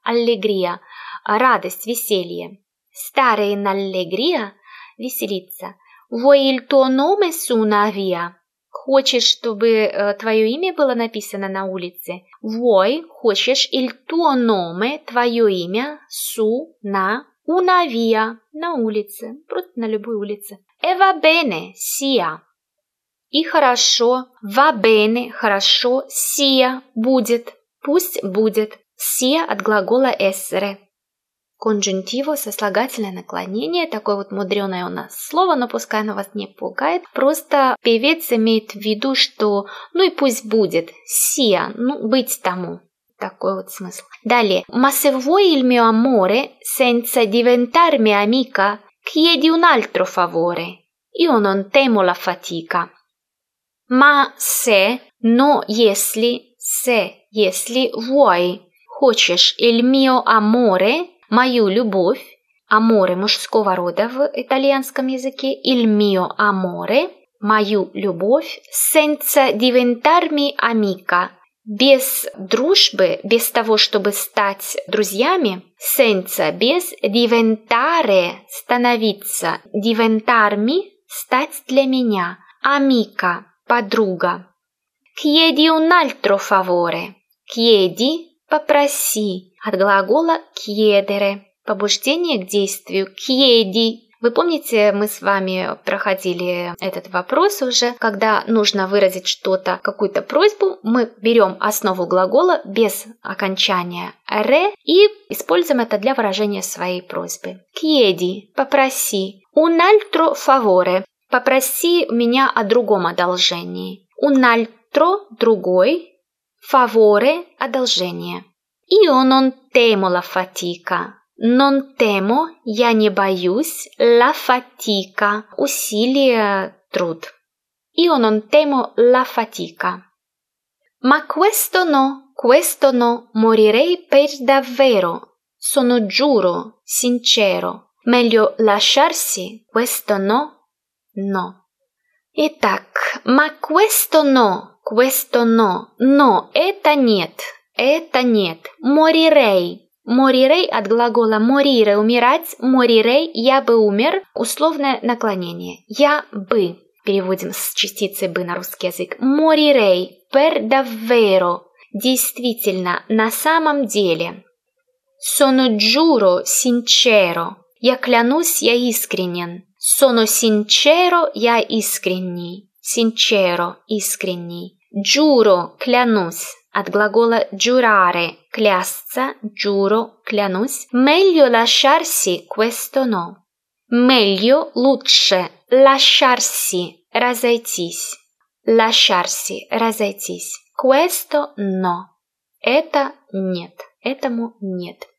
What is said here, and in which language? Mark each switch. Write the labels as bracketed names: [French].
[Russian] Allegria – радость, веселье. [Italian] Stare in allegria – веселиться. Vuoi il tuo nome su una via? [Russian] Хочешь, чтобы твое имя было написано на улице? [Italian] Vuoi [Russian] – хочешь, [Italian] il tuo nome [Russian] – твое имя, [Italian] su [Russian] – на, [Italian] una via [Russian] – на улице, просто на любой улице. [Italian] E va bene, sia. [Russian] И хорошо, [Italian] va bene, [Russian] хорошо, [Italian] sia, [Russian] будет, пусть будет, sia от глагола [Italian] essere. [Russian] Конжунтиво, сослагательное наклонение, такое вот мудреное у нас слово, но пускай оно вас не пугает. Просто певец имеет в виду, что ну и пусть будет, [Italian] sia, [Russian] ну быть тому. Такой вот смысл. [Italian] Далее, ma se vuoi il mio amore senza diventar mia amica, chiedi un altro favore. Io non temo la fatica. Ma se, [Russian] но если, [Italian] se, [Russian] если [Italian] vuoi, [Russian] хочешь, [Italian] il mio amore, [Russian] мою любовь, amore мужского рода в итальянском языке, [Italian] il mio amore, [Russian] мою любовь, [Italian] senza diventarmi amica, [Russian] без дружбы, без того, чтобы стать друзьями, [Italian] senza, [Russian] без, [Italian] diventare, [Russian] становиться, [Italian] diventarmi, [Russian] стать для меня, [Italian] amica, [Russian] подруга. [Italian] Chiedi un altro favore. Chiedi [Russian] – попроси. От глагола [Italian] chiedere [Russian] – побуждение к действию. [Italian] Chiedi. [Russian] Вы помните, мы с вами проходили этот вопрос уже, когда нужно выразить что-то, какую-то просьбу, мы берем основу глагола без окончания re и используем это для выражения своей просьбы. [Italian] Chiedi [Russian] – попроси. [Italian] Un altro favore. [Russian] Попроси меня о другом одолжении. [Italian] Un altro – [Russian] другой. [Italian] Favore – [Russian] одолжение. [Italian] Io non temo la fatica. Non temo [Russian] – я не боюсь. [Italian] La fatica [Russian] – усилие, труд. [Italian] Io non temo la fatica. Ma questo no, morirei per davvero. Sono giuro, sincero. Meglio lasciarsi, questo no. [Russian] Но. Итак, [Italian] ma questo no, [Russian] но, это нет, [Italian] morirei, [Russian] morirei от глагола [Italian] morire, [Russian] умирать, morirei, я бы умер, условное наклонение, я бы, переводим с частицы бы на русский язык, morirei, [Italian] per davvero, [Russian] действительно, на самом деле, [Italian] sono giuro, sincero, [Russian] я клянусь, я искренен. [Italian] Sono sincero, [Russian] я искренний. [Italian] Sincero, [Russian] искренний. [Italian] Giuro, [Russian] клянусь. От глагола [Italian] giurare, [Russian] клясться. [Italian] Giuro, [Russian] клянусь. [Italian] Meglio lasciarsi, questo no. Meglio, [Russian] лучше. [Italian] Lasciarsi, [Russian] разойтись. [Italian] Lasciarsi, [Russian] разойтись. [Italian] Questo no. [Russian] Это нет. Этому нет.